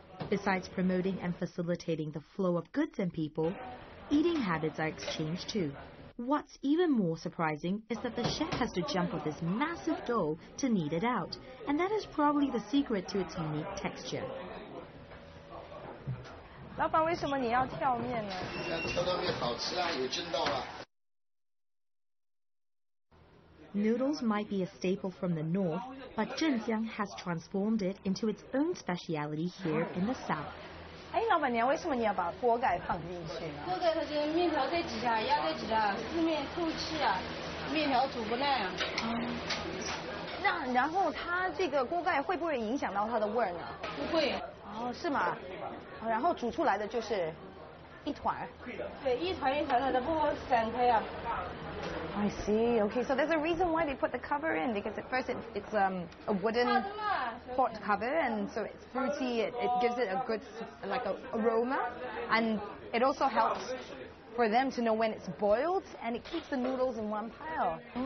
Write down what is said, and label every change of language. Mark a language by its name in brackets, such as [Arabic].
[English] Besides promoting and facilitating the flow of goods and people, eating habits are exchanged too. What's even more surprising is that the chef has to jump off this massive dough to knead it out, and that is probably the secret to its unique texture. [Chinese] 老板，为什么你要跳面呢？跳到面好吃啊，有劲道啊。 Noodles might be a staple from the north, but Zhenjiang has transformed it into its own speciality here in the south. 哎，老板娘，为什么你要把锅盖放进去呢？锅盖它就是面条在底下，压在底下，四面透气啊，面条煮不烂啊。然后它这个锅盖会不会影响到它的味呢？不会。哦，是吗？然后煮出来的就是一团。对，一团一团的，它不好散开啊。 [English] I see. Okay, so there's a reason why they put the cover in, because at first it's a wooden pot cover, and so it's fruity, it gives it a good, like, aroma, and it also helps for them to know when it's boiled, and it keeps the noodles in one pile.